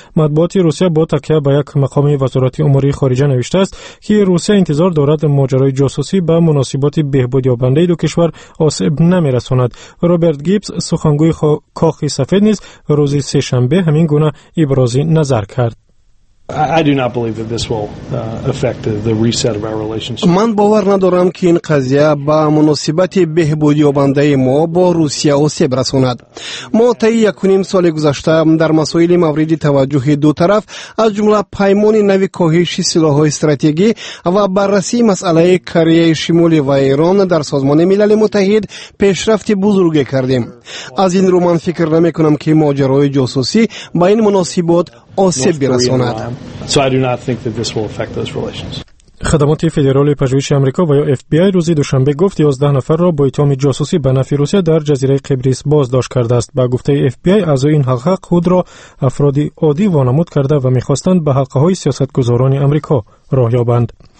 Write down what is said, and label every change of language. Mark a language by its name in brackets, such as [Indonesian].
[Persian] مطبوعات روسیه با تکیه به یک مقام وزارت امور خارجه نوشته است که روسیه انتظار دارد ماجرای جاسوسی به مناسبات بهبودیابنده دو کشور آسیب نمی‌رساند. روبرت گیبز سخنگوی کاخ سفید نیز روز سه‌شنبه همین گونه ابراز نظر کرد. [English] I do not believe that this will affect the reset of our relationship. [Persian] من باور ندارم که این قضیه با مناسبت بهبودیابنده ما با روسیه آسیب رساند. ما تا یک و نیم سال گذشته در مسائل مورد توجه دو طرف از جمله پیمان نوی کاهش سلاح‌های استراتژی و بررسی مسئله کره شمالی و ایران در سازمان ملل متحد پیشرفت بزرگی کردیم. از این رو من فکر نمی‌کنم که ماجرای جاسوسی با این مناسبات آسیب برساند. [English] So I do not think that this will affect those relations. [Persian] خدمات فدرال پژوهش آمریکا و یا FBI روز دوشنبه گفت 11 نفر را با اتهام جاسوسی به نفع روسیه در جزیره قبرس بازداشت کرده است. با گفته FBI اعضای این حلقه خود را افراد عادی وانمود کرده و می‌خواستند به حلقه‌های سیاستگزاران آمریکا راه یابند.